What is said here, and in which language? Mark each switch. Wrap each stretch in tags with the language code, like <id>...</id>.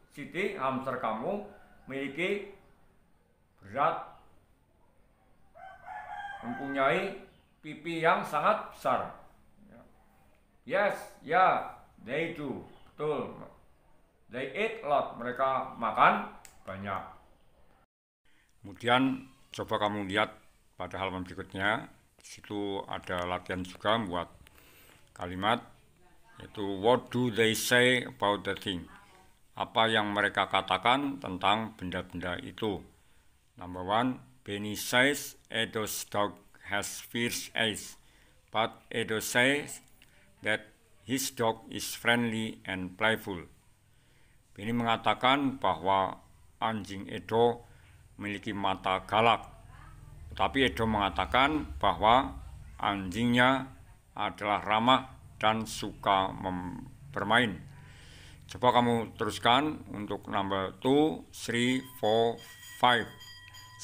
<id>Siti, hamster kamu memiliki berat, mempunyai pipi yang sangat besar.</id> <en>Yes, yeah, they do.</en> <id>Betul.</id> <en>They eat a lot.</en> <id>Mereka makan banyak. Kemudian, coba kamu lihat pada halaman berikutnya. Di situ ada latihan juga buat kalimat. Yaitu,</id> <en>what do they say about the thing?</en> <id>Apa yang mereka katakan tentang benda-benda itu?</id> <en>Number one, Benny says Edo's dog has fierce eyes. But Edo says that his dog is friendly and playful.</en> <id>Benny mengatakan bahwa anjing Edo memiliki mata galak. Tetapi Edo mengatakan bahwa anjingnya adalah ramah dan suka bermain. Coba kamu teruskan untuk number 2, 3, 4, 5.</id>